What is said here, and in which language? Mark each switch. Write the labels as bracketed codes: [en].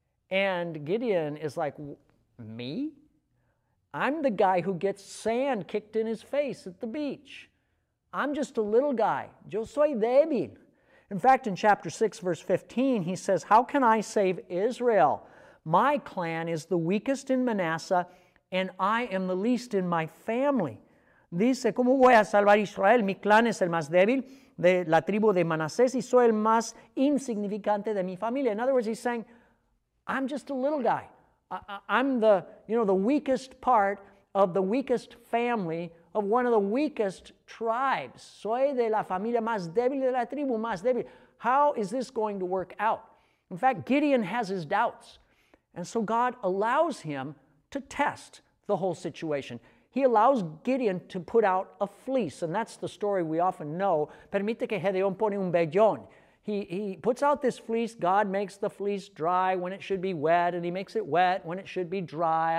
[en] And Gideon is like, "Me? I'm the guy who gets sand kicked in his face at the beach. I'm just a little guy. [es] Yo soy débil." [en] In fact, in chapter 6, verse 15, he says, "How can I save Israel? My clan is the weakest in Manasseh, and I am the least in my family." [es] Dice, ¿cómo voy a salvar Israel? Mi clan es el más débil de la tribu de Manasés y soy el más insignificante de mi familia. [en] In other words, he's saying, I'm just a little guy. I'm the, you know, the weakest part of the weakest family of one of the weakest tribes. [es] Soy de la familia más débil de la tribu más débil. [en] How is this going to work out? In fact, Gideon has his doubts. And so God allows him to test the whole situation. He allows Gideon to put out a fleece, and that's the story we often know. [es] Permite que Gedeón pone un vellón. [en] He puts out this fleece. God makes the fleece dry when it should be wet, and he makes it wet when it should be dry.